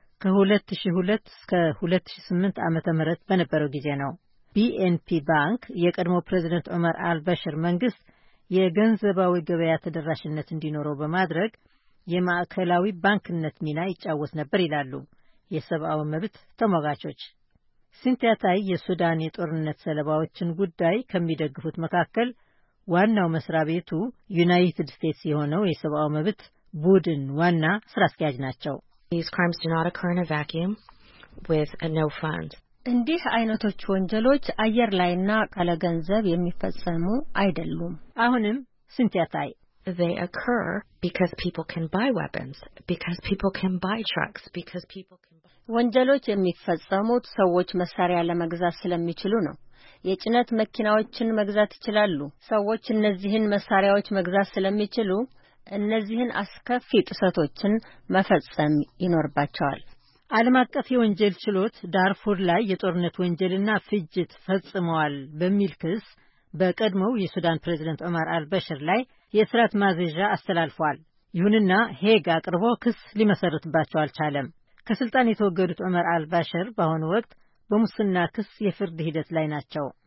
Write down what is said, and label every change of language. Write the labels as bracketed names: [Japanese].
[Amharic] ከ2002 እስከ 2008 ዓመተ ምህረት በነበረው ጊዜ ነው። ቢኤንፒ ባንክ የቀድሞ ፕሬዚደንት ዑመር አልበሽር መንግስት የገንዘባዊ ገበያ ተደራሽነት እንዲኖረው በማድረግ የማዕከላዊ ባንክነት ሚና ይጫወት ነበር ይላሉ የሰብአዊ መብት ተሟጋቾች። ሲንቲያ ታይ የሱዳን የጦርነት ሰለባዎችን ጉዳይ ከሚደግፉት መካከል ዋናው መስሪያ ቤቱ ዩናይትድ ስቴትስ የሆነው የሰብአዊ መብት ቡድን ዋና ስራ አስኪያጅ ናቸው። [English] These crimes do not occur in a vacuum with no fund. [Amharic] እንዲህ አይነቶች ወንጀሎች አየር ላይና ካለ ገንዘብ የሚፈጸሙ አይደሉም። አሁንም ሲንቲያ ታይ [English] They occur because people can buy weapons, because people can buy trucks, because people can buy... [Amharic] ወንጀሎች የሚፈጸሙት ሰዎች መሳሪያ ለመግዛት ስለሚችሉ ነው። የጭነት መኪናዎችን መግዛት ይችላሉ። ሰዎች እነዚህን መሳሪያዎች መግዛት ስለሚችሉ እነዚህን አስከፊ ጥሰቶችን መፈጸም ይኖርባቸዋል። ዓለም አቀፍ የወንጀል ችሎት ዳርፉር ላይ የጦርነት ወንጀልና ፍጅት ፈጽመዋል በሚል ክስ በቀድሞው የሱዳን ፕሬዝደንት ዑመር አልበሽር ላይ የእስራት ማዘዣ አስተላልፏል። ይሁንና ሄግ አቅርቦ ክስ ሊመሰርትባቸው አልቻለም። ከስልጣን የተወገዱት ዑመር አልበሽር በአሁኑ ወቅት በሙስና ክስ የፍርድ ሂደት ላይ ናቸው።